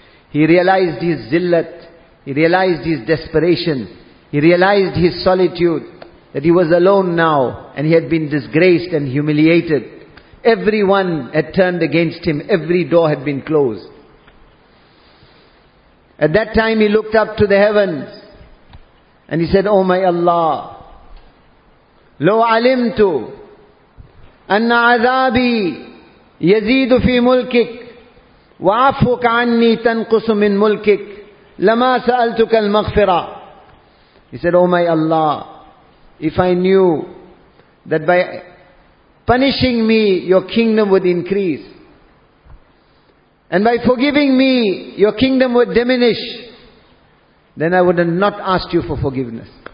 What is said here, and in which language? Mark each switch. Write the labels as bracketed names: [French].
[English] He realized his zillat, he realized his desperation, he realized his solitude, that he was alone now and he had been disgraced and humiliated. Everyone had turned against him, every door had been closed. At that time he looked up to the heavens and he said, Oh my Allah, [Arabic] لو علمت أن عذابي يزيد في ملكك وعفوك عني تنقص من ملكك لما سألتك المغفرة. [English] He said, Oh my Allah, if I knew that by punishing me your kingdom would increase, and by forgiving me your kingdom would diminish, then I would have not asked you for forgiveness.